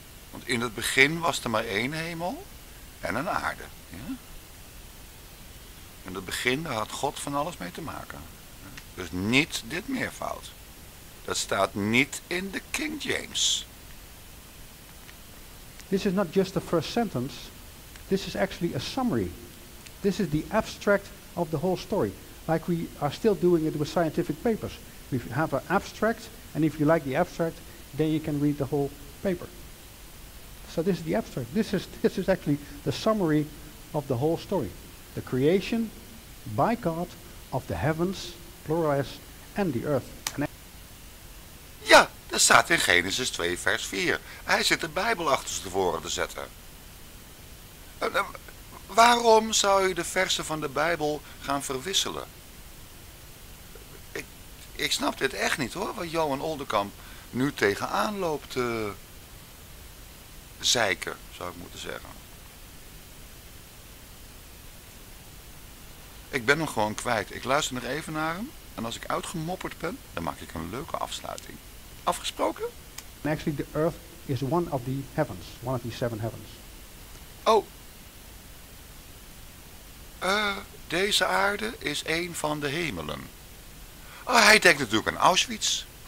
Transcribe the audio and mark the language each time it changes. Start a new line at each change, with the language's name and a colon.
Dutch: Want in het begin was er maar één hemel en een aarde, ja? In het begin had God van alles mee te maken. Dus niet dit meervoud. Dat staat niet in de King James.
English: This is not just the first sentence. This is actually a summary. This is the abstract of the whole story. Like we are still doing it with scientific papers. We have an abstract, and if you like the abstract, then you can read the whole paper. So this is the abstract. This is actually the summary of the whole story. The creation by God of the heavens, plural, and the earth.
Dutch: Dat staat in Genesis 2 vers 4. Hij zit de Bijbel achter ze tevoren te zetten. Waarom zou je de versen van de Bijbel gaan verwisselen? Ik snap dit echt niet hoor, wat Johan Oldenkamp nu tegenaan loopt te zeiken, zou ik moeten zeggen. Ik ben hem gewoon kwijt. Ik luister nog even naar hem. En als ik uitgemopperd ben, dan maak ik een leuke afsluiting. Afgesproken?
English: And actually the earth is one of the heavens, one of the 7 heavens. Oh.
Dutch: Deze aarde is een van de hemelen. Oh, hij denkt natuurlijk aan Auschwitz.